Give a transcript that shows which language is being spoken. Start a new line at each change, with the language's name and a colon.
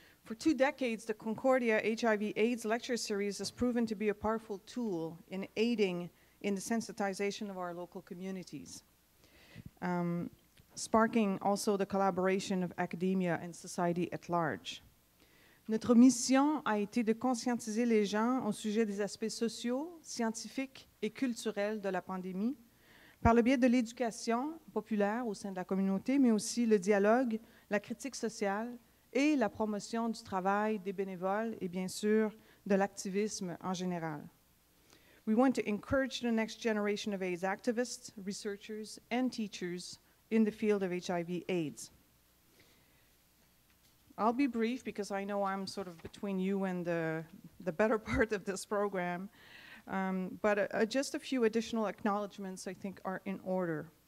English: For two decades, the Concordia HIV/AIDS lecture series has proven to be a powerful tool in aiding in the sensitization of our local communities, sparking also the collaboration of academia and society at large.
French: Notre mission a été de conscientiser les gens au sujet des aspects sociaux, scientifiques et culturels de la pandémie par le biais de l'éducation populaire au sein de la communauté, mais aussi le dialogue, la critique sociale et la promotion du travail des bénévoles et bien sûr de l'activisme en général.
English: We want to encourage the next generation of AIDS activists, researchers and teachers in the field of HIV/AIDS. I'll be brief because I know I'm sort of between you and the better part of this program, but just a few additional acknowledgements I think are in order.